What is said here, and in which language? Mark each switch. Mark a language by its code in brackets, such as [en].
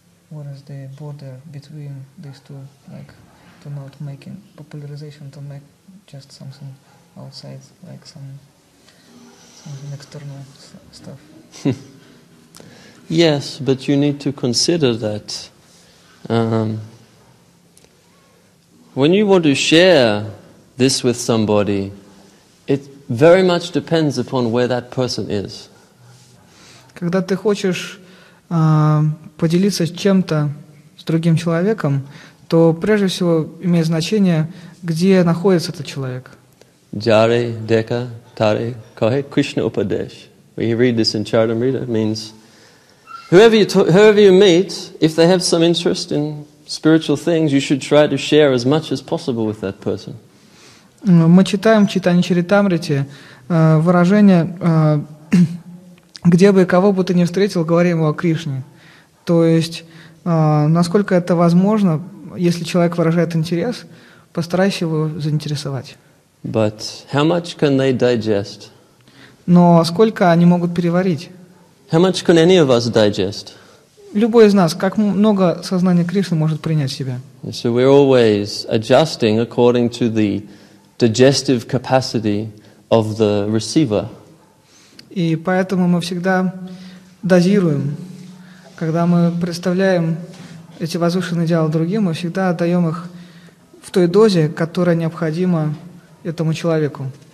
[en] What is the border between these two? Like, to not making popularization, to make just something outside, like something external stuff. Yes, but you need to consider that when you want to share this with somebody, it very much depends upon where that person is. [ru] Когда ты хочешь поделиться чем-то с другим человеком, то прежде всего имеет значение, где находится этот человек. [bn] Jare, deka, tare, kahe, Krishna upadesh. [en] When you read this in Charitamrita, it means whoever you meet, if they have some interest in spiritual things, you should try to share as much as possible with that person. [ru] Мы читаем в Читании Чаритамрите выражение, где бы и кого бы ты ни встретил, говорим о Кришне. То есть, насколько это возможно, если человек выражает интерес, постарайся его заинтересовать. [en] But how much can they digest? [ru] Но сколько они могут переварить? [en] How much can any of us digest? [ru] Любой из нас, как много сознания Кришны может принять в себя? [en] So we're always adjusting according to the digestive capacity of the receiver. [ru] И поэтому мы всегда дозируем, когда мы представляем эти возвышенные идеалы другим, мы всегда отдаем их в той дозе, которая необходима этому человеку.